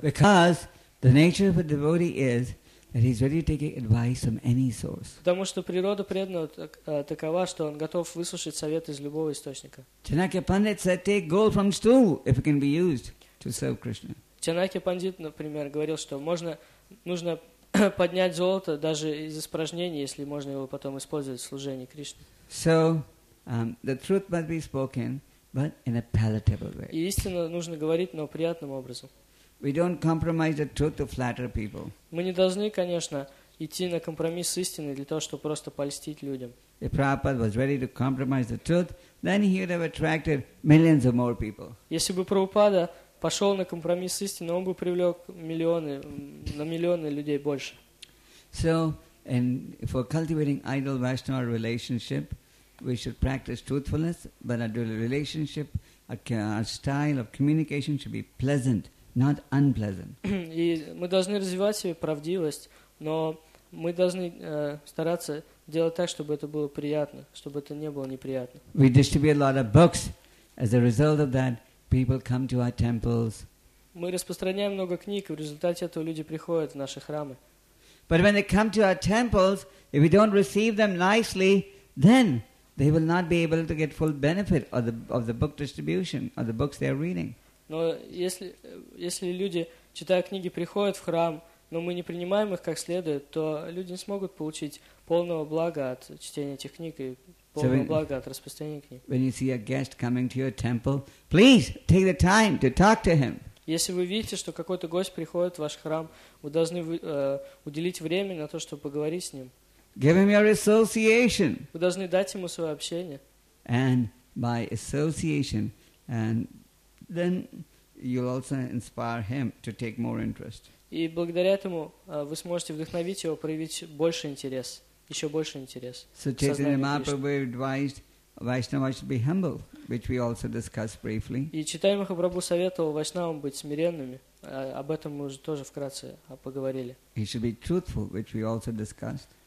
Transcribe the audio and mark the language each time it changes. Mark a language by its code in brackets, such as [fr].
[en] Because the nature of a devotee is that he's ready to take advice from any source. [ru] Потому что природа преданного такова, что он готов выслушать совет из любого источника. [en] Chanakya Pandit said, take gold from stool, if it can be used to serve Krishna. [ru] Чанакья Пандит, например, говорил, что нужно поднять золото даже из испражнений, если можно его потом использовать в служении Кришне. [en] So, the truth must be spoken, but in a palatable way. [ru] И истину нужно говорить, но приятным образом. [en] We don't compromise the truth to flatter people. [ru] Мы не должны, конечно, идти на компромисс с истиной для того, чтобы просто польстить людям. [en] If Prabhupada was ready to compromise the truth, then he would have attracted millions of more people. [ru] Если бы Прабхупада пошел на компромисс с истиной, он бы привлек на миллионы людей больше. [en] So, and for cultivating idol Vaishnava relationship, we should practice truthfulness, but our relationship, our style of communication should be pleasant, not unpleasant. [ru] И мы должны развивать себе правдивость, но мы должны стараться делать так, чтобы это было приятно, чтобы это не было неприятно. [en] We distribute a lot of books. As a result of that, people come to our temples. [ru] Мы распространяем много книг, и в результате этого люди приходят в наши храмы. [en] But when they come to our temples, if we don't receive them nicely, then they will not be able to get full benefit of the book distribution or the books they are reading. [ru] Но если люди, читая книги, приходят в храм, но мы не принимаем их как следует, то люди не смогут получить полного блага от чтения этих книг и [en] When you see a guest coming to your temple, please take the time to talk to him. [ru] Если вы видите, что какой-то гость приходит в ваш храм, вы должны уделить время на то, чтобы поговорить с ним. [en] Give him your association. [ru] Вы должны дать ему свое общение. [en] And by association, and then you'll also inspire him to take more interest. [ru] И благодаря этому вы сможете вдохновить его проявить больше интерес. Еще больше интерес. [en] So Chaitanya Mahaprabhu advised Vaishnava should be humble, which we also discussed briefly. [ru] И Чайтанья Махапрабху советовал Вайшнавам быть смиренными. Об этом мы уже тоже вкратце поговорили. [en] He should be truthful, which we also discussed.